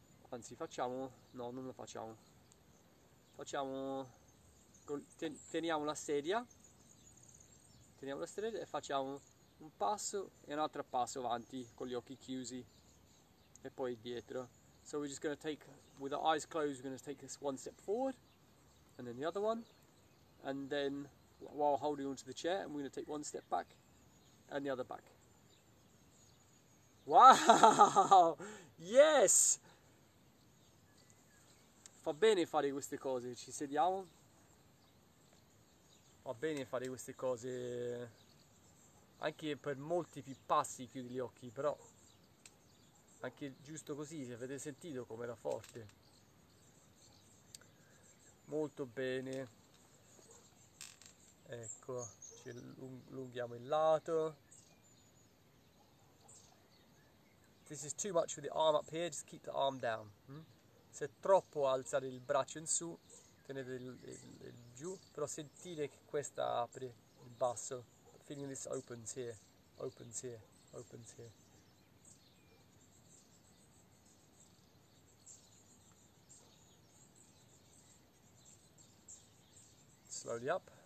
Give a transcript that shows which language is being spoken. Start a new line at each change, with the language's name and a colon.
Italian: Anzi, facciamo? No, non lo facciamo. Facciamo, teniamo la sedia e facciamo un passo e un altro passo avanti con gli occhi chiusi e poi dietro.
English: So we're just going to take, with our eyes closed, we're going to take this one step forward and then the other one, and then while holding onto the chair, and we're going to take one step back and the other back. Wow, yes!
Italian: Fa bene fare queste cose, ci sediamo. Fa bene fare queste cose anche per molti più passi chiudi gli occhi, però anche giusto così, se avete sentito com'era forte. Molto bene. Ecco, ci allunghiamo il lato.
English: This is too much with the arm up here, just keep the arm down.
Italian: Se è troppo alzare il braccio in su, tenete il giù, però sentire che questa apre il basso.
English: Feeling this opens here, opens here, opens here. Slowly up.